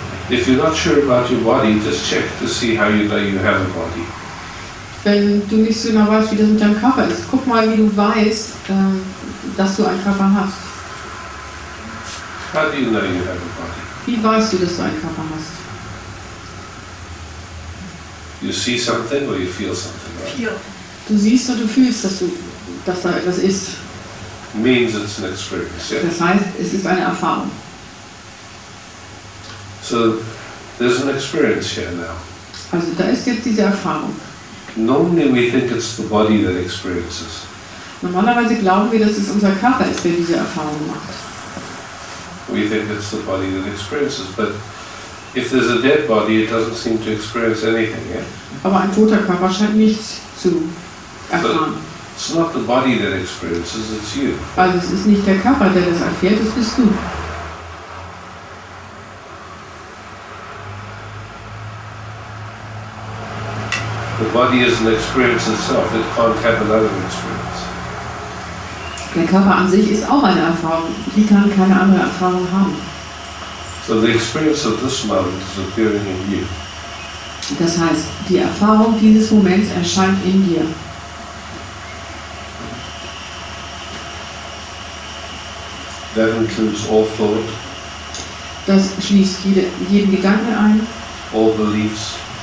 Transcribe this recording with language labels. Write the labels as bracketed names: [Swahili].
[English] If you're not sure about your body, just check to see how you know you have a body. [German] Wenn du nicht so genau weißt, wie das mit deinem Körper ist, guck mal, wie du weißt, dass du einen Körper hast. [English] How do you know you have a body? [German] Wie weißt du, dass du einen Körper hast? [English] You see something or you feel something, right? Feel. [German] Du siehst oder du fühlst, dass, du, dass da etwas ist. [English] Means it's an experience, yeah. [German] Das heißt, es ist eine Erfahrung. [English] So, there's an experience here now. [German] Also da ist jetzt diese Erfahrung. [English] Normally we think it's the body that experiences. [German] Normalerweise glauben wir, dass es unser Körper ist, der diese Erfahrung macht. [English] We think it's the body that experiences, but if there's a dead body, it doesn't seem to experience anything, yeah? [German] Aber ein toter Körper scheint nichts zu erfahren. [English] It's not the body that experiences, it's you. [German] Also es ist nicht der Körper, der das erfährt, es bist du. [English] The body is an experience itself, it can't have another experience. [German] Der Körper an sich ist auch eine Erfahrung, die kann keine andere Erfahrung haben. [English] So the experience of this moment is appearing in you. [German] Das heißt, die Erfahrung dieses Moments erscheint in dir. [English] That includes all thought. [German] Das schließt jeden Gedanken ein. [English] All beliefs.